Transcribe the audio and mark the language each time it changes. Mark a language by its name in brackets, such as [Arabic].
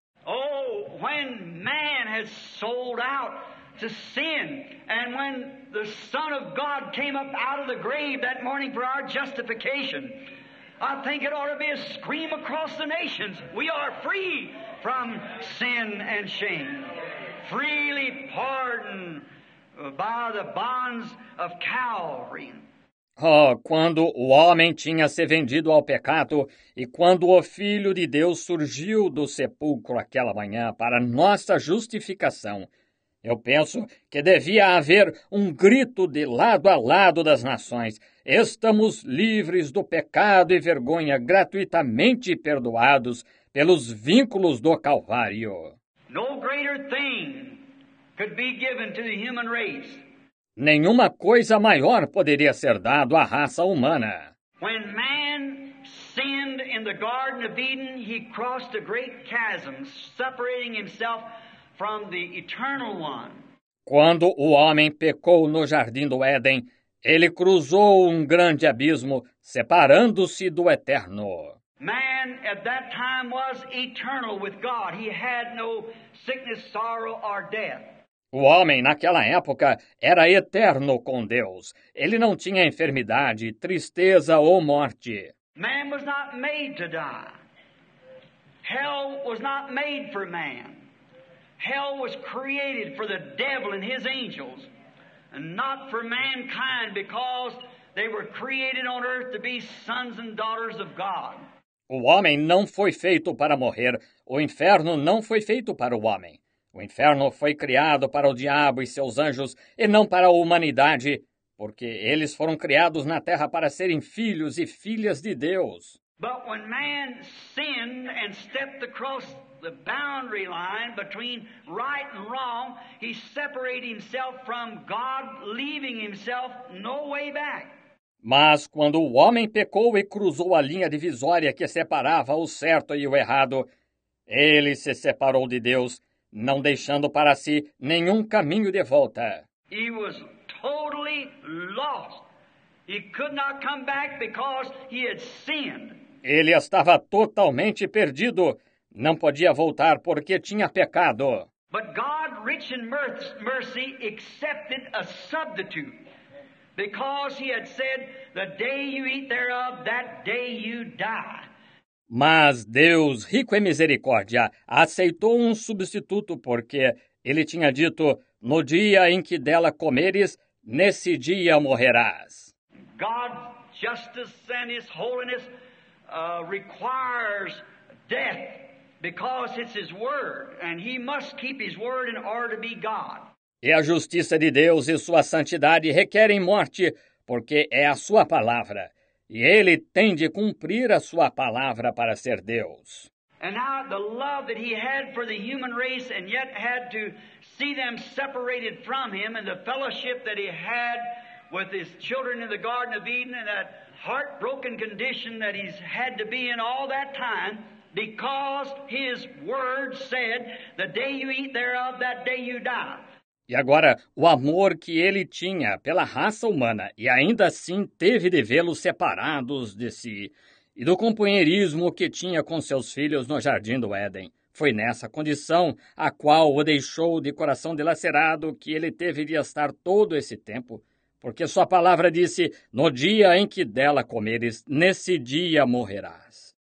[English] Oh, when man had sold out to sin, and when the Son of God came up out of the grave that morning for our justification, I think it ought to be a scream across the nations. We are free from sin and shame, freely pardoned by the bonds of Calvary. [Portuguese] Oh, quando o homem tinha se vendido ao pecado e quando o Filho de Deus surgiu do sepulcro aquela manhã para nossa justificação, eu penso que devia haver um grito de lado a lado das nações. Estamos livres do pecado e vergonha, gratuitamente perdoados pelos vínculos do Calvário. [English] No greater thing could be given to the human race. [Portuguese] Nenhuma coisa maior poderia ser dado à raça humana. [English] When man sinned in the Garden of Eden, he crossed a great chasm, separating himself from the Eternal One. [Portuguese] Quando o homem pecou no Jardim do Éden, ele cruzou um grande abismo, separando-se do Eterno. [English] Man at that time was eternal with God. He had no sickness, sorrow, or death. [Portuguese] O homem, naquela época, era eterno com Deus. Ele não tinha enfermidade, tristeza ou morte. [English] Man was not made to die. Hell was not made for man. Hell was created for the devil and his angels, and not for mankind, because they were created on earth to be sons and daughters of God. [Portuguese] O homem não foi feito para morrer. O inferno não foi feito para o homem. O inferno foi criado para o diabo e seus anjos, e não para a humanidade, porque eles foram criados na terra para serem filhos e filhas de Deus. [English] But when man sinned and stepped across the boundary line between right and wrong, he separated himself from God, leaving himself no way back. [Portuguese] Mas quando o homem pecou e cruzou a linha divisória que separava o certo e o errado, ele se separou de Deus, não deixando para si nenhum caminho de volta. [English] He was totally lost. He could not come back because he had sinned. [Portuguese] Ele estava totalmente perdido, não podia voltar porque tinha pecado. [English] But God, rich in mercy, accepted a substitute. Because he had said, the day you eat thereof, that day you die. [Portuguese] Mas Deus, rico em misericórdia, aceitou um substituto, porque ele tinha dito, no dia em que dela comeres, nesse dia morrerás. [English] God's justice and his holiness requires death, because it's his word, and he must keep his word in order to be God. [Portuguese] E a justiça de Deus e sua santidade requerem morte, porque é a sua palavra. E ele tem de cumprir a sua palavra para ser Deus. [English] And now the love that he had for the human race, and yet had to see them separated from him, and the fellowship that he had with his children in the Garden of Eden, and that heartbroken condition that he's had to be in all that time, because his word said, the day you eat thereof, that day you die. [Portuguese] E agora, o amor que ele tinha pela raça humana e ainda assim teve de vê-los separados de si, e do companheirismo que tinha com seus filhos no jardim do Éden, foi nessa condição a qual o deixou de coração dilacerado que ele teve de estar todo esse tempo, porque sua palavra disse, no dia em que dela comeres, nesse dia morrerás.